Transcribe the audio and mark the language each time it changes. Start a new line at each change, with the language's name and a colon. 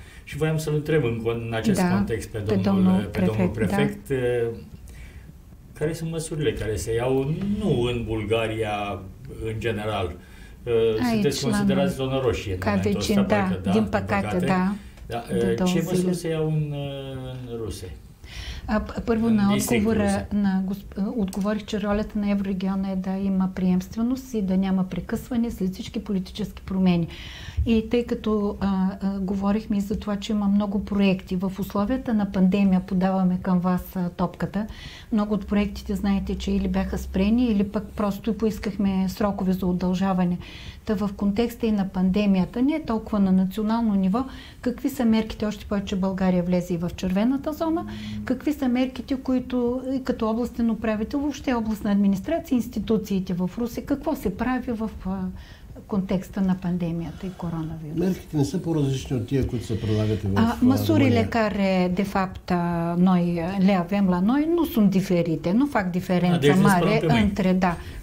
Romanian: Și voiam să-l întreb în acest context pe domnul prefect. Da. Care sunt măsurile care se iau, nu în Bulgaria în general? Sunteți considerați zonă roșie. Ca vecin, din păcate. Da. Ce măsuri se iau în Rusie?
Bulgarian: Първо на отговора на отговорих, че ролята на Еврорегиона е да има приемственост и да няма прекъсване след всички политически промени. И тъй като говорихме и за това, че има много проекти в условията на пандемия, подаваме към вас топката. Много от проектите, знаете, че или бяха спрени, или пък просто поискахме срокове за удължаване. Та в контекста и на пандемията, не е толкова на национално ниво, какви са мерките, още повече България влезе и в червената зона, какви са мерките, които като областен управител, въобще областна администрация, институциите в Русия, какво се прави в контекста на пандемията и коронавирус. Мерките не са по-различни от тия, които се прилагат и в Румъния.
Romanian: Масурите, care de fapt noi le avem la noi, nu sunt diferite, nu fac diferență mare între, da.